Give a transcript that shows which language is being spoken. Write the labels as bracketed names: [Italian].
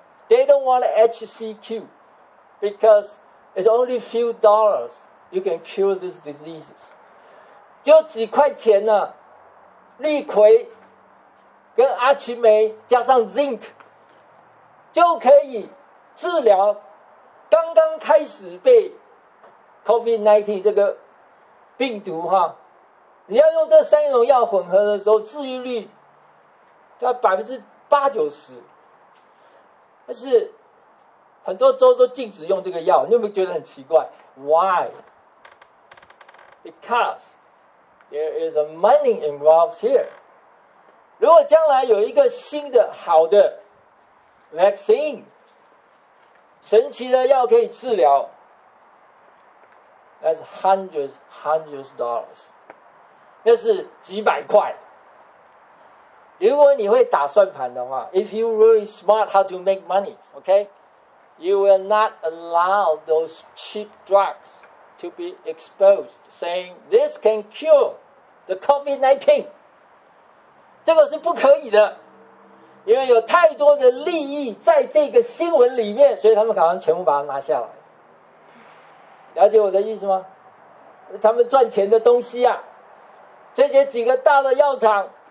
[English] They don't want HCQ because it's only few dollars you can cure these diseases， [Chinese] 就几块钱呢、啊，氯喹跟阿奇梅加上 [English] zinc。 [Chinese] 就可以治疗刚刚开始被 COVID-19 这个病毒哈，你要用这三种药混合的时候，治愈率在80-90%。但是很多州都禁止用这个药，你有没有觉得很奇怪 ？ [English] Why? Because there is a money involved here. [Chinese] 如果将来有一个新的好的Vaccine， 神奇的药可以治疗。 [English] That's hundreds dollars. [Chinese] 那是几百块。如果你会打算盘的话 [English] ，if you really smart how to make money, okay, you will not allow those cheap drugs to be exposed, saying this can cure the COVID-19. [Chinese] 这个是不可以的，因为有太多的利益在这个新闻里面，所以他们赶快全部把它拿下来。了解我的意思吗？他们赚钱的东西啊，这些几个大的药厂。